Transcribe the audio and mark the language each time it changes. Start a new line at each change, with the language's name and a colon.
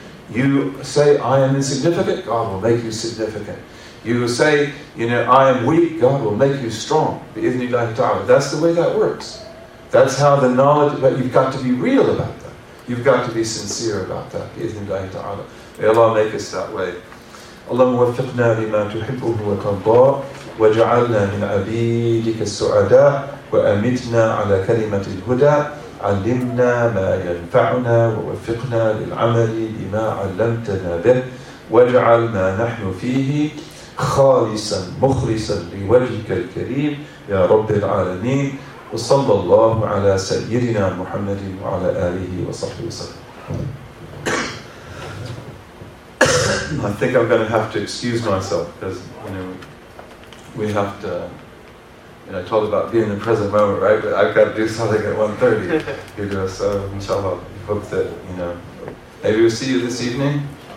English: You say, I am insignificant, God will make you significant. You will say, you know, I am weak, God will make you strong. Bi-ithnillahi ta'ala. That's the way that works. That's how the knowledge, but you've got to be real about that. You've got to be sincere about that. Bi-ithnillahi ta'ala. May Allah make us that way.
Arabic: اللهم وفقنا لما تحبه وترضاه وجعلنا من عبيدك السعداء وأمتنا على كلمة الهدى علمنا ما ينفعنا ووفقنا للعمل بما علمتنا به واجعل ما نحن فيه خالصا مخلصا لوجهك الكريم يا رب العالمين وصلى الله على سيدنا محمد وعلى آله وصحبه وسلم.
English: I think I'm going to have to excuse myself because, you know, we have to, you know, I told about being in the present moment, right? But I've got to do something at 1:30. You know, so inshallah, hope that, you know, maybe we'll see you this evening.